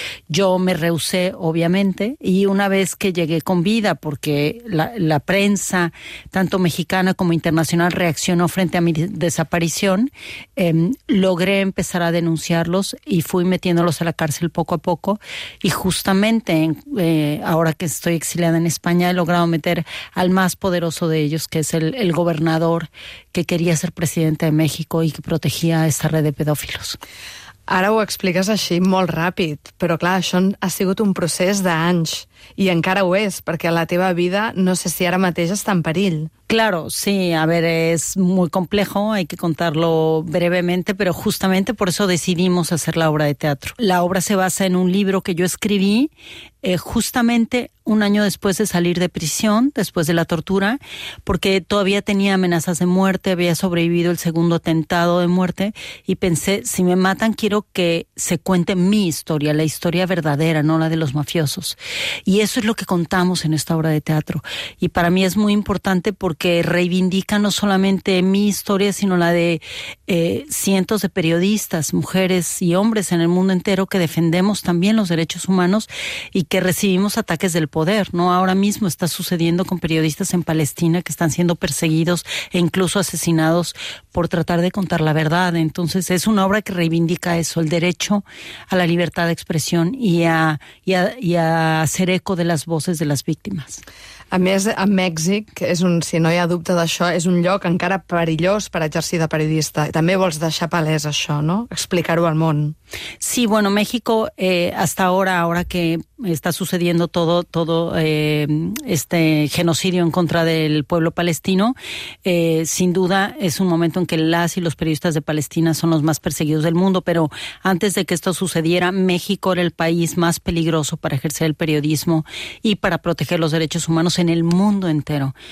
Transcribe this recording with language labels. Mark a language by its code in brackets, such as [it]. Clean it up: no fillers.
[es] Yo me rehusé, obviamente, y una vez que llegué con vida, porque la prensa, tanto mexicana como internacional, Nacional reaccionó frente a mi desaparición, logré empezar a denunciarlos y fui metiéndolos a la cárcel poco a poco, y justamente ahora que estoy exiliada en España he logrado meter al más poderoso de ellos, que es el gobernador que quería ser presidente de México y que protegía esta red de pedófilos. [ca] Ara ho expliques així molt ràpid, però clar, això ha sigut un procés d'anys i encara ho és, perquè la teva vida no sé si ara mateix està en perill. [es] Claro, sí, a ver, es muy complejo, hay que contarlo brevemente, pero justamente por eso decidimos hacer la obra de teatro. La obra se basa en un libro que yo escribí justamente un año después de salir de prisión, después de la tortura, porque todavía tenía amenazas de muerte, había sobrevivido el segundo atentado de muerte, y pensé, si me matan, quiero que se cuente mi historia, la historia verdadera, no la de los mafiosos. Y eso es lo que contamos en esta obra de teatro. Y para mí es muy importante porque reivindica no solamente mi historia, sino la de cientos de periodistas, mujeres y hombres en el mundo entero que defendemos también los derechos humanos y que recibimos ataques del poder, ¿no? Ahora mismo está sucediendo con periodistas en Palestina que están siendo perseguidos e incluso asesinados por tratar de contar la verdad. Entonces es una obra que reivindica eso, el derecho a la libertad de expresión y a hacer eco de las voces de las víctimas. [ca] A més, a Mèxic, és un, si no hi ha dubte d'això, és un lloc encara perillós per exercir de periodista. També vols deixar palès això, no? Explicar-ho al món. [es] Sí, bueno, México, hasta ahora que está sucediendo todo este genocidio en contra del pueblo palestino, sin duda es un momento en que las y los periodistas de Palestina son los más perseguidos del mundo, pero antes de que esto sucediera, México era el país más peligroso para ejercer el periodismo y para proteger los derechos humanos en el mundo entero.